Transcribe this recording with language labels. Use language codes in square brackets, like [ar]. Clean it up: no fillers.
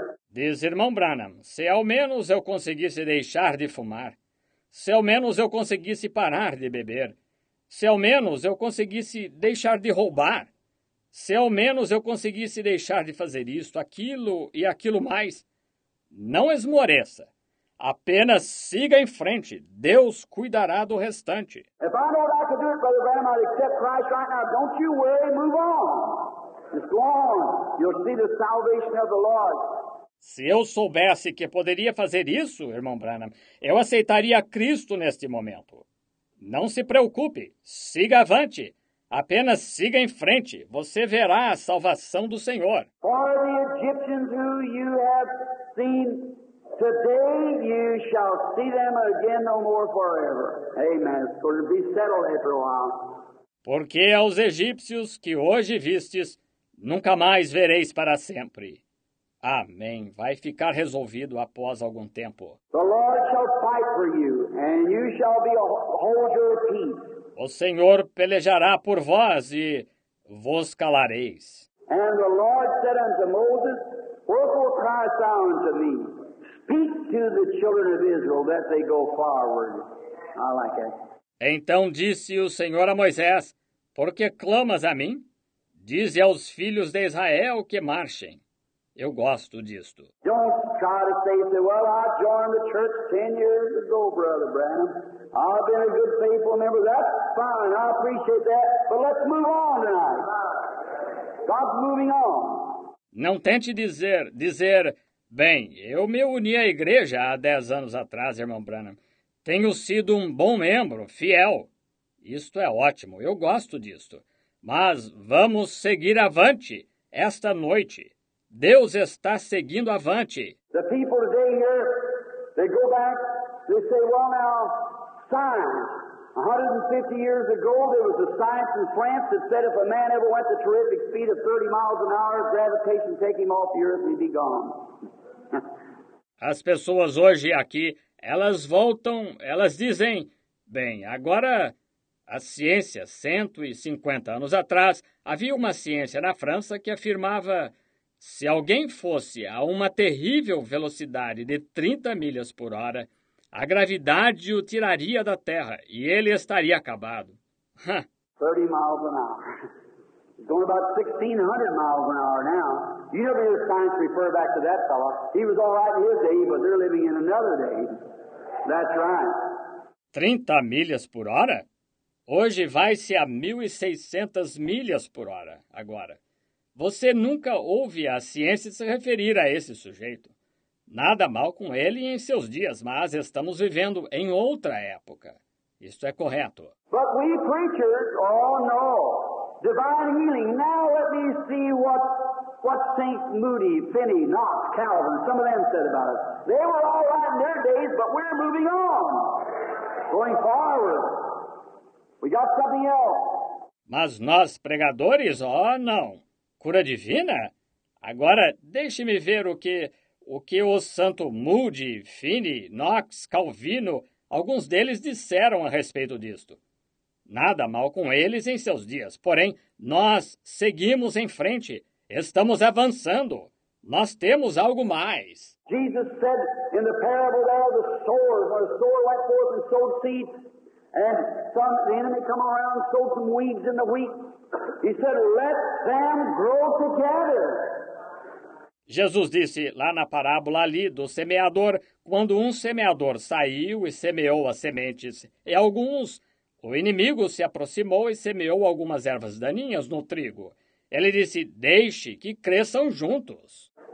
[pt] Diz irmão Branham, se ao menos eu conseguisse deixar de fumar, se ao menos eu conseguisse parar de beber, se ao menos eu conseguisse deixar de roubar, se ao menos eu conseguisse deixar de fazer isto, aquilo e aquilo mais, não esmoreça. Apenas siga em frente. Deus cuidará do restante. [en] If I know that I could do it, Brother Branham, I'd accept Christ right now. Don't you worry, move on. Just go on. You'll see the salvation of the Lord. [pt] Se eu soubesse que poderia fazer isso, irmão Branham, eu aceitaria Cristo neste momento. Não se preocupe. Siga avante. Apenas siga em frente. Você verá a salvação do Senhor. [en] For the Egyptians who you have seen today, you shall see them again no more forever. Amen. It's going to be settled after a while. [pt] Porque aos egípcios que hoje vistes, nunca mais vereis para sempre. Amém. Vai ficar resolvido após algum tempo. [en] The Lord shall fight for you, and you shall be a hold your peace. [pt] O Senhor pelejará por vós e vos calareis. [en] And the Lord said unto Moses, wherefore criest thou unto me? Speak to the children of Israel that they go forward. I like it. [pt] Então disse o Senhor a Moisés, por que clamas a mim? Dize aos filhos de Israel que marchem. Eu gosto disto. [en] Don't try to say, well, I joined the church 10 years ago, Brother Branham. I've been a good faithful member. That's fine. I appreciate that. But let's move on tonight. God's moving on. [pt] Não tente dizer, bem, eu me uni à igreja há 10 anos atrás, irmão Branham. Tenho sido um bom membro, fiel. Isto é ótimo. Eu gosto disto. Mas vamos seguir avante esta noite. Deus está seguindo avante. [en] The people today here, they go back, they say, well now, science. 150 years ago, there was a science in France that said if a man ever went the terrific speed of 30 miles an hour, gravitation take him off the earth, he'd be gone. [pt] As pessoas hoje aqui, elas voltam, elas dizem, bem, agora... A ciência, 150 anos atrás, havia uma ciência na França que afirmava se alguém fosse a uma terrível velocidade de 30 milhas por hora, a gravidade o tiraria da Terra e ele estaria acabado. [en] 30 miles an hour. Going about 1600 miles an hour now. You never hear science refer back to that fella. He was all right in his day, but they're living in another day. That's right. [pt] 30 milhas por hora? Hoje vai-se a 1.600 milhas por hora, agora. Você nunca ouve a ciência se referir a esse sujeito. Nada mal com ele em seus dias, mas estamos vivendo em outra época. Isto é correto. [en] But we preachers, oh no, divine healing. Now let me see what St. Moody, Finney, Knox, Calvin, some of them said about us. They were all right in their days, but we're moving on, going forward. We got something else. [pt] Mas nós, pregadores, oh, não. Cura divina? Agora, deixe-me ver o que o santo Moody, Finney, Knox, Calvino, Alguns deles disseram a respeito disto. Nada mal com eles em seus dias, porém, nós seguimos em frente, estamos avançando. Nós temos algo mais. [en] Jesus said in the parable there, the sower, where the sower went forth and sowed seeds, and some the enemy come around and sowed some weeds in the wheat. He said, let them grow together. [pt] Jesus disse lá na parábola ali do semeador, quando um semeador saiu e semeou as sementes, e alguns, o inimigo se aproximou e semeou algumas ervas daninhas no trigo. Ele disse, deixe que cresçam juntos.